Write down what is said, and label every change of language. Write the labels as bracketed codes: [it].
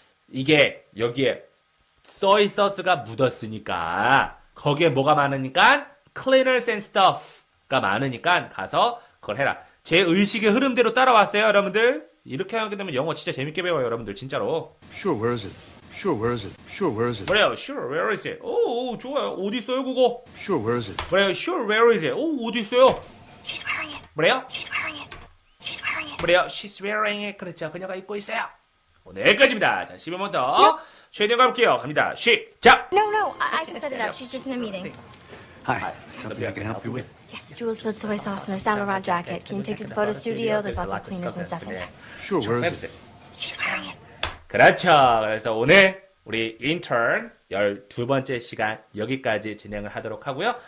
[ko] 이게 여기에 soy sauce가 묻었으니까 거기에 뭐가 많으니까 [en] cleaners and stuff [ko] 가 많으니까 가서 그걸 해라. 제 의식의 흐름대로 따라왔어요, 여러분들. 이렇게 하게 되면 영어 진짜 재밌게 배워요, 여러분들 진짜로. [en] Sure, where is it? Sure, where is it? Sure, where is it? [ko] 그래요, [en] sure, where is it? [ko] 오, 오 좋아요. 어디 있어요, 그거? [en] Sure, where is it? [ko] 그래요, [en] sure, where is it? [ko] 오, 어디 있어요? [en] She's wearing it. [ko] 그래요? [en] She's wearing it. She's wearing it. [ko] 그래요, [en] she's wearing it. [ko] 그렇죠, 그녀가 입고 있어요. 오늘 여기까지입니다. 자, 10분부터 yeah. 최대한 가볼게요. 갑니다. 시작! [en] No, no, I can set it up. She's just in a meeting. Hi, something I can help you with? Yes, Jules put soy sauce in her Saint Laurent jacket. Can you take it to the photo studio? There's lots of cleaners and stuff in there. Sure, where is it? She's wearing it. [ko] 그렇죠. 그래서 오늘 우리 인턴 12번째 시간 여기까지 진행을 하도록 하고요.